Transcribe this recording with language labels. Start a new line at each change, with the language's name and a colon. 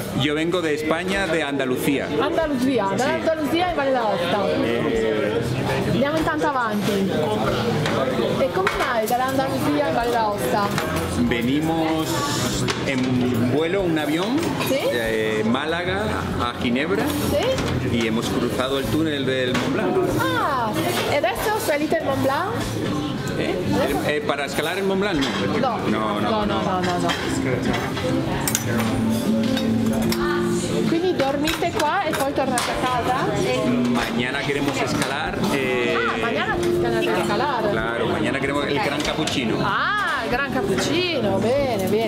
Italian: Io vengo da Spagna, da Andalusia. Andalusia, sì. Dall'Andalusia in Valle d'Aosta. Andiamo intanto avanti. E come mai dall'Andalusia in Valle d'Aosta?
Spanish: Venimos en vuelo, un avión, ¿sí? De Málaga a Ginebra, ¿sí? Y hemos cruzado el túnel del Mont Blanc.
Italian: Ah, ¿y adesso salite el Mont Blanc?
Spanish: ¿Para escalar el Mont Blanc? No. No.
Italian: Quindi dormite qua e poi tornate a casa?
Spanish: Mañana queremos escalar. Mañana
Italian: scalare.
Spanish: Claro, mañana queremos el Gran Cappuccino.
Italian: Ah, il Gran Cappuccino, bene.